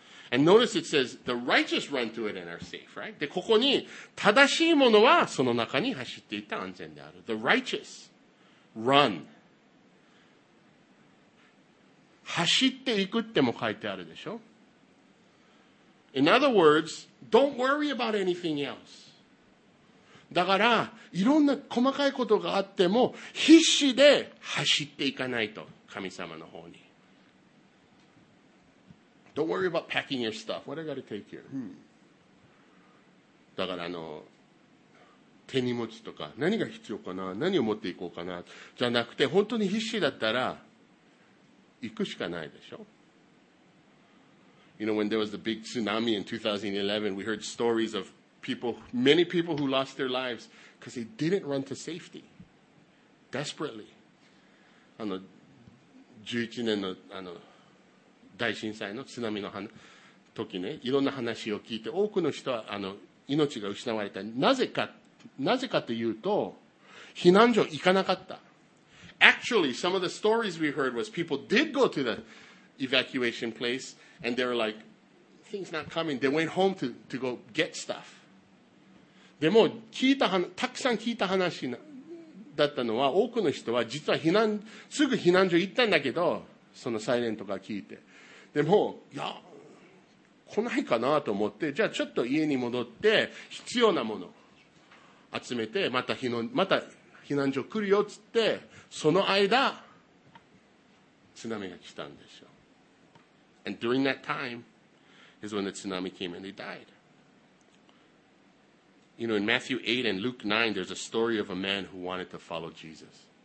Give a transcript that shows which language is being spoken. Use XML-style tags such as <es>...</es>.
<en>And notice it says, the righteous run to it and are safe, right?</en> <ja>で、ここに、正しいものはその中に走っていて安全である。</ja> <en>The righteous run.</en> <ja>走っていくっても書いてあるでしょ?</ja> <en>In other words, don't worry about anything else.</en> <ja>だから、いろんな細かいことがあっても、必死で走っていかないと、神様の方に。</ja> <en>Don't worry about packing your stuff. What I got to take here?、Hmm.</en> <ja>だからあの、手荷物とか、何が必要かな、何を持っていこうかな、じゃなくて、本当に必死だったら、行くしかないでしょ。</ja> <en>You know, when there was the big tsunami in 2011, we heard stories of people, many people who lost their lives because they didn't run to safety, desperately.</en> <ja>あの、11年の、あの、大震災の津波の時ね、いろんな話を聞いて、多くの人は、あの、命が失われた。なぜかというと、避難所行かなかった。</ja> <en>Actually, some of the stories we heard was people did go to the evacuation place and they were like, things not coming. They went home to go get stuff.</en> <ja>でも、たくさん聞いた話だったのは、多くの人は実は すぐ避難所行ったんだけど、そのサイレンとか聞いて。でも、いや、来ないかなと思って、じゃあちょっと家に戻って、必要なもの集めて、また避難所来るよって言って、その間、津波が来たんでしょう。</ja> <en>And during that time is when the tsunami came and they died. You know, in Matthew 8 and Luke 9, there's a story of a man who wanted to follow Jesus.</en>